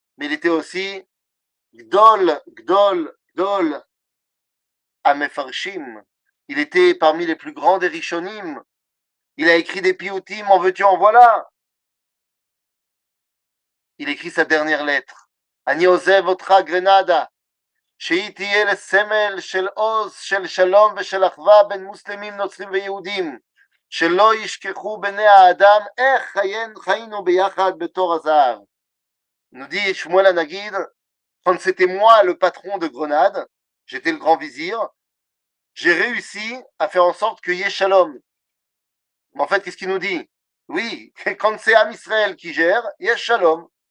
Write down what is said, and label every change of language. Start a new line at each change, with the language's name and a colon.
French: Mais il était aussi
Hebrew: Gdol, Gdol, Gdol, Amefarshim.
French: Il était parmi les plus grands des Rishonim. Il a écrit des Piyoutim, en veux-tu, en voilà. Il écrit sa dernière lettre.
Hebrew: Ani ozev otra Grenada. שהיא תהיה לסמל של עוז, של שלום ושל אחווה בין מוסלמים, נוצרים ויהודים, שלא ישכחו בני האדם איך חיינו ביחד בתור הזהב.
French: Nous dit Shmuel Hanagid, quand c'était moi le patron de Grenade, j'étais le grand vizir, j'ai réussi à faire en sorte qu'il y ait shalom. Mais en fait, qu'est-ce qu'il nous dit? Oui, quand c'est Am Israël qui gère, il y a shalom.